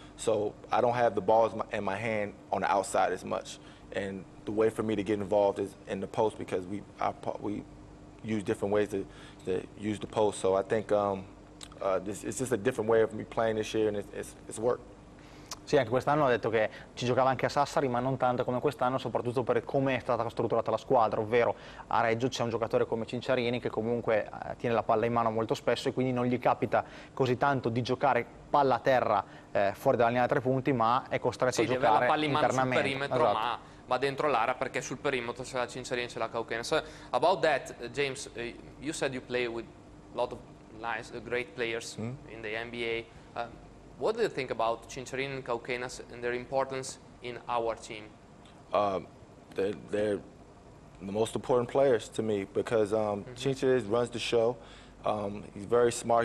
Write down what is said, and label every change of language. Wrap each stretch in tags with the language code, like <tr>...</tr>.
<en>So I don't have the ball in my hand on the outside as much, and the way for me to get involved is in the post, because we use different ways to use the post. So I think it's just a different way of me playing this year, and it's worked.</en> <it>Sì, anche quest'anno ha detto che ci giocava anche a Sassari, ma non tanto come quest'anno, soprattutto per come è stata strutturata la squadra, ovvero a Reggio c'è un giocatore come Cinciarini che comunque tiene la palla in mano molto spesso e quindi non gli capita così tanto di giocare palla a terra fuori dalla linea da tre punti, ma è costretto a giocare internamente. Sì, deve avere la palla in mano sul perimetro, ma va dentro l'area perché sul perimetro c'è la Cinciarini e c'è la Caucana.</it> <en>So, about that, James, you said you play with a lot of nice, great players in the NBA. What do you think about Cinciarini and Caucanas and their importance in our team? They're the most important players to me because Cinciarini runs the show. He's very smart.</en>